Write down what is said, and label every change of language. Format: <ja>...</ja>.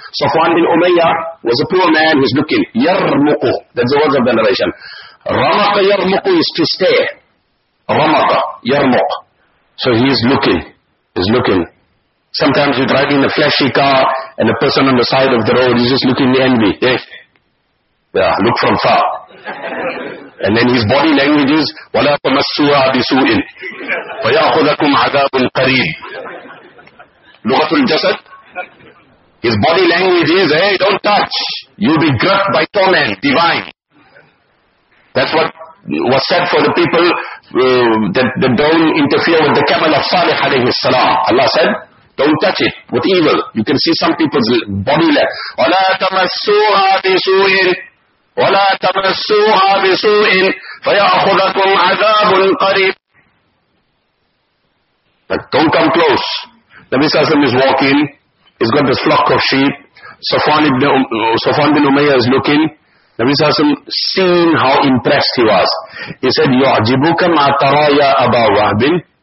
<en>Safwan bin Umayyah was a poor man who is looking. Yarmuku, that's the words of the narration. Ramaka yarmuku is to stare. Ramaka, yarmuk. So he is looking, he is looking. Sometimes you're driving a flashy car and a person on the side of the road is just looking envy. Yeah, look from far. And then his body language is</en> <ar>وَلَا تَمَسُّوهَا بِسُوءٍ فَيَأْخُذَكُمْ عَذَابٌ قَرِيبٌ لُغَةُ الْجَسَدِ.</ar> <en>His body language is, hey, don't touch. You'll be gripped by torment, divine. That's what was said for the people that don't interfere with the camel of Salih alayhi salam. Allah said, don't touch it with evil. You can see some people's body language.</en> <ar>وَلَا تَمَسُّوهَا بِسُوءٍ وَلَا تَمَسُّوهَا بِسُوءٍ فَيَأْخُذَكُمْ عَذَابٌ قَرِيبٌ.</ar> <en>But don't come close. Nabi Sassam is walking. He's got this flock of sheep. Safwan bin Umayyah is looking. Nabi Sassam seeing how impressed he was. He said,</en> <ar>يُعْجِبُكَ مَا تَرَى يَا أَبَا وَهْبٍ.</ar>